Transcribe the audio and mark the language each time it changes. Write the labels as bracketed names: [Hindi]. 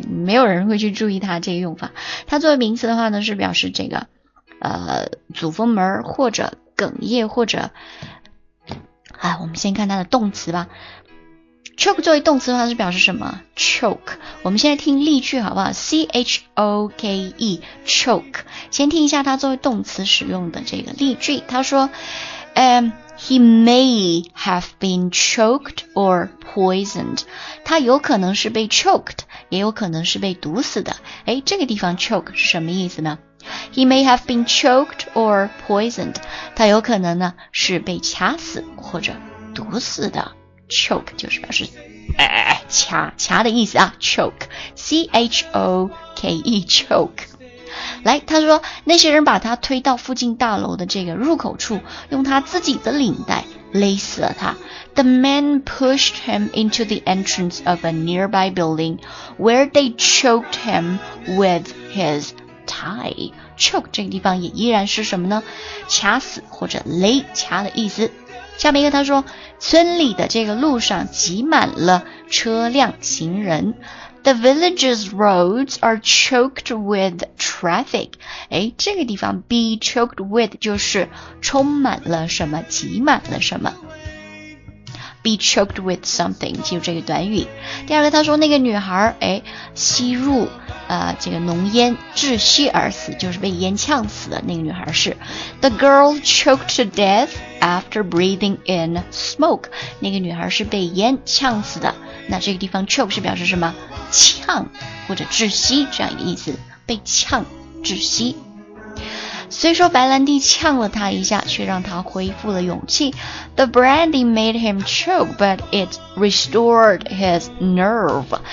[Chinese] 没有人会去注意它这个用法。它作为名词的话呢，是表示这个阻风门或者哽咽或者我们先看它的动词吧。 Choke 作为动词的话是表示什么 ？Choke。我们现在听例句好不好 ？C-H-O-K-E, choke。先听一下它作为动词使用的这个例句。他说， [English] He may have been choked or poisoned. [Chinese] 他有可能是被 choked, 也有可能是被毒死的。诶，这个地方 choke 是什么意思呢？ [English] He may have been choked or poisoned. [Chinese] 他有可能呢是被掐死或者毒死的。 Choke 就是表示掐的意思啊。 [English] Choke, C-H-O-K-E, choke. [Chinese] 来，他说那些人把他推到附近大楼的这个入口处，用他自己的领带勒死了他。 [English] The men pushed him into the entrance of a nearby building where they choked him with his tie. [Chinese] Choke 这个地方也依然是什么呢？掐死或者勒掐的意思。下面一个他说，村里的这个路上挤满了车辆行人。 [English] The village's roads are choked with traffic. [Chinese] 诶，这个地方 be choked with 就是充满了什么，挤满了什么。 [English] Be choked with something, [Chinese] 记住这个短语。第二个他说那个女孩诶吸入这个浓烟窒息而死，就是被烟呛死的那个女孩是。 [English] The girl choked to death after breathing in smoke. [Chinese] 那个女孩是被烟呛死的。那这个地方 choke 是表示什么？呛或者窒息这样一个意思，被呛窒息。虽说白兰地呛了他一下，却让他恢复了勇气。 [English] The brandy made him choke, but it restored his nerve.